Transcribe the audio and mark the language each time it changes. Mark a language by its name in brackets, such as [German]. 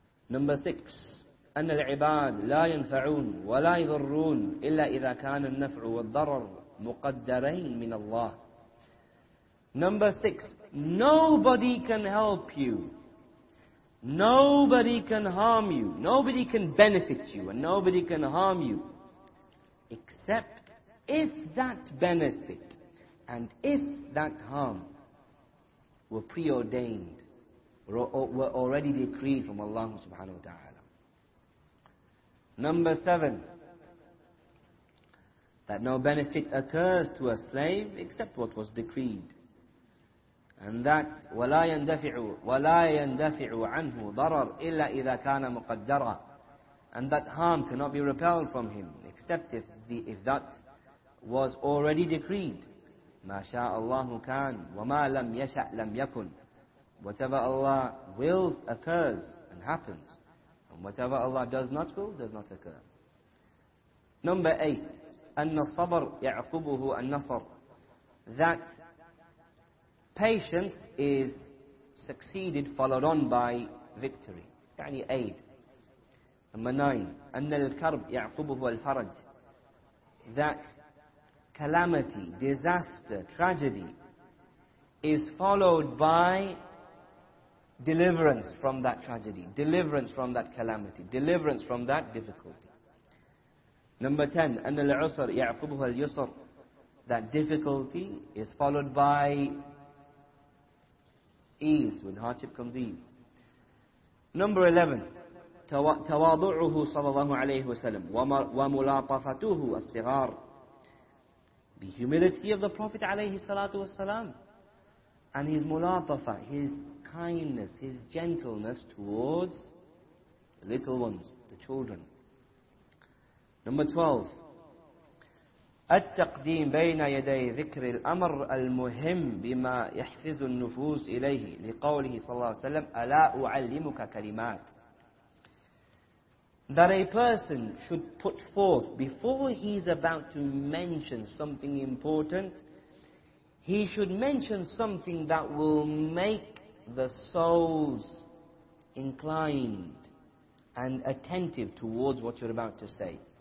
[English] Number six, [Arabic] أن العباد لا ينفعون ولا يضرون إلا إذا كان النفع والضرر مقدرين من الله. [English] Number six, nobody can help you. Nobody can harm you. Nobody can benefit you. And nobody can harm you. Except if that benefit and if that harm were preordained, were already decreed from Allah subhanahu wa ta'ala. Number seven, that no benefit occurs to a slave except what was decreed. And that [Arabic] وَلَا يَنْدَفِعُ عَنْهُ ضَرَرٌ إِلَّا إِذَا كَانَ مُقَدَّرًا. [English] And that harm cannot be repelled from him except if that was already decreed. [Arabic] مَا شَاءَ اللَّهُ كَانَ وَمَا لَمْ يَشَأْ لَمْ يَكُنْ. [English] Whatever Allah wills occurs and happens. And whatever Allah does not will does not occur. Number eight, [Arabic] أَنَّ الصَّبَرْ يَعْقُبُهُ النَّصَرُ. [English] That patience is succeeded, followed on by victory. يعني aid. Number nine, [Arabic] أن الكرب يعقبه الفرج. [English] That calamity, disaster, tragedy is followed by deliverance from that tragedy, deliverance from that calamity, deliverance from that difficulty. Number ten, [Arabic] أن العسر يعقبه اليسر. [English] That difficulty is followed by ease. When hardship comes, ease. Number 11, [Arabic] تواضعه صلى الله عليه وسلم وملاطفته الصغار. [English] The humility of the Prophet [Arabic] عليه الصلاة والسلام [English] and his mulatafa, his kindness, his gentleness towards the little ones, the children. Number 12, [Arabic] التقديم بين يدي ذكر الأمر المهم بما يحفز النفوس إليه لقوله صلى الله عليه وسلم ألا أعلمك كلمات. [English] That a person should put forth, before he's about to mention something important, he should mention something that will make the souls inclined and attentive towards what you're about to say.